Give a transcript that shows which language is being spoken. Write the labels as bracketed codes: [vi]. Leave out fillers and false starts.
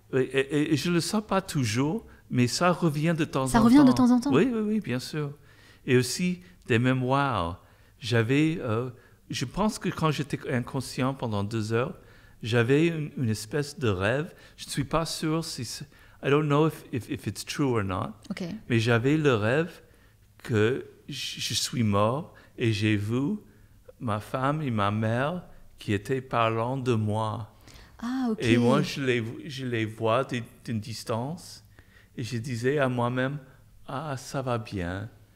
[fr] Oui, et je ne le sens pas toujours, mais ça revient de temps en temps. Ça revient de temps en temps. Oui, oui, oui, bien sûr. Et aussi des mémoires. Je pense que quand j'étais inconscient pendant 2 heures, j'avais une espèce de rêve. Je ne suis pas sûr si c'est... [en] I don't know if it's true or not. Okay. [fr] Mais j'avais le rêve que je suis mort et j'ai vu ma femme et ma mère qui étaient parlant de moi. Ah, ok. Et moi, je les vois d'une distance et je disais à moi-même, ah, ça va bien.